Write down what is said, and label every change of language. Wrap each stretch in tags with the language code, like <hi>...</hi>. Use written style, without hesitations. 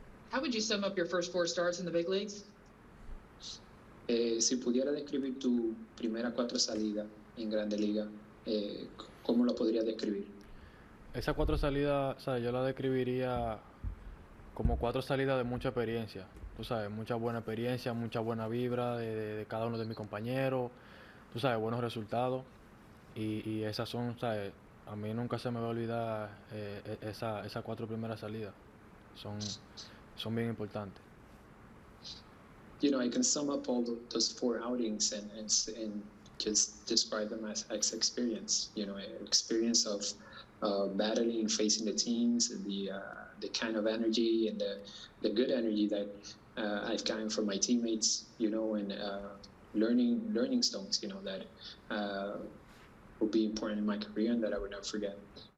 <en>How would you sum up your first four starts in the big leagues?</en> <es>Si pudiera describir tu primera cuatro salida en Grande Liga, ¿cómo lo podría describir? Esas cuatro salidas, ¿sabes? Yo las describiría como cuatro salidas de mucha experiencia, tú sabes, mucha buena experiencia, mucha buena vibra de cada uno de mis compañeros, tú sabes, buenos resultados, y esas son, ¿sabes? A mí nunca se me va a olvidar esas cuatro primeras salidas, son bien importantes.</es> <en>You know, I can sum up all those four outings and just describe them as experience, you know, experience of battling, facing the teams, the kind of energy and the good energy that I've gotten from my teammates, you know, and learning stones, you know, that will be important in my career and that I would never forget.</en>